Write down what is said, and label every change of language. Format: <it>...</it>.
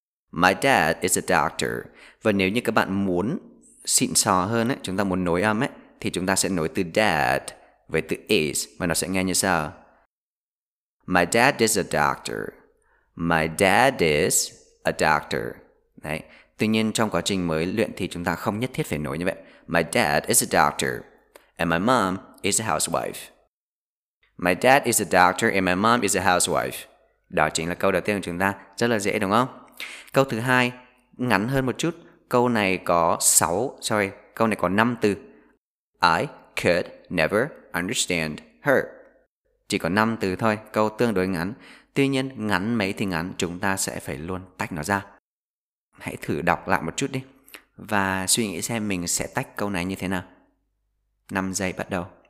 <en>My dad is a doctor.</en> <vi>Và nếu như các bạn muốn xịn sò hơn ấy, chúng ta muốn nối âm ấy, thì chúng ta sẽ nối từ dad với từ is và nó sẽ nghe như sau.</vi> <en>My dad is a doctor. My dad is a doctor. Đấy.</en> <vi>Tuy nhiên trong quá trình mới luyện thì chúng ta không nhất thiết phải nối như vậy.</vi> <en>My dad is a doctor and my mom is a housewife. My dad is a doctor and my mom is a housewife.</en> <vi>Đó chính là câu đầu tiên của chúng ta. Rất là dễ đúng không? Câu thứ hai ngắn hơn một chút. Câu này có 6, sorry, câu này có 5 từ.</vi> <en>I could never understand her.</en> <vi>Chỉ có 5 từ thôi, câu tương đối ngắn. Tuy nhiên ngắn mấy thì ngắn, chúng ta sẽ phải luôn tách nó ra. Hãy thử đọc lại một chút đi và suy nghĩ xem mình sẽ tách câu này như thế nào. 5 giây bắt đầu.</vi>